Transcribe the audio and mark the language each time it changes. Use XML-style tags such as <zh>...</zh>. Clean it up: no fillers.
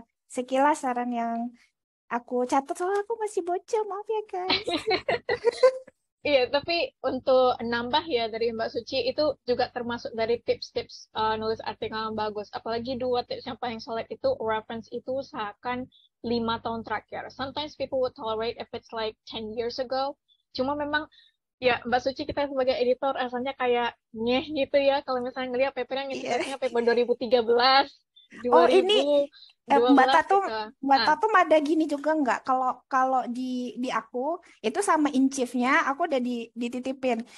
<id>Sekilas saran yang aku catat, soalnya aku masih bocil, maaf ya guys. Iya, tapi untuk nambah ya dari Mbak Suci, itu juga termasuk dari tips-tips nulis artikel yang bagus. Apalagi 2 tips yang paling solid itu reference itu usahakan 5 tahun terakhir.</id> <en>Sometimes people would tolerate if it's like 10 years ago.</en> <id>Cuma memang, ya Mbak Suci, kita sebagai editor rasanya kayak nyeh gitu ya, kalau misalnya ngeliat paper yang ngetikannya paper 2013, 2012. Oh ini, Mbak Tatum ada gini juga nggak? Kalau di aku, itu sama in-chief-nya, aku udah dititipin.</id>